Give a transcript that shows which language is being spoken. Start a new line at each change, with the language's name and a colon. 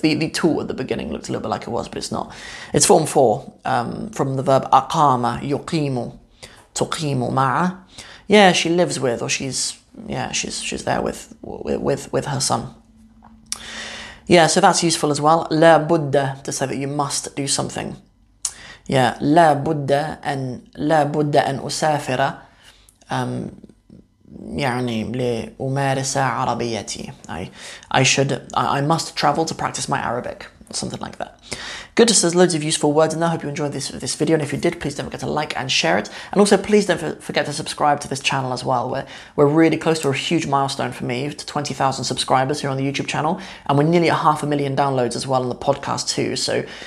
English: The two at the beginning looked a little bit like it was, but it's not. It's form 4 from the verb
Arabic: أقام يقيم تقيم مع.
English: Yeah, she lives with, or she's there with her son. Yeah, so that's useful as well. لا بد, to say that you must do something.
Arabic: Yeah, لا بد أن أسافر يعني لأمارس عربيتي.
English: I must travel to practice my Arabic, something like that. Good, so there's loads of useful words in there. I hope you enjoyed this video. And if you did, please don't forget to like and share it. And also please don't forget to subscribe to this channel as well. We're really close to a huge milestone for me, to 20,000 subscribers here on the YouTube channel. And we're nearly at 500,000 downloads as well on the podcast too. So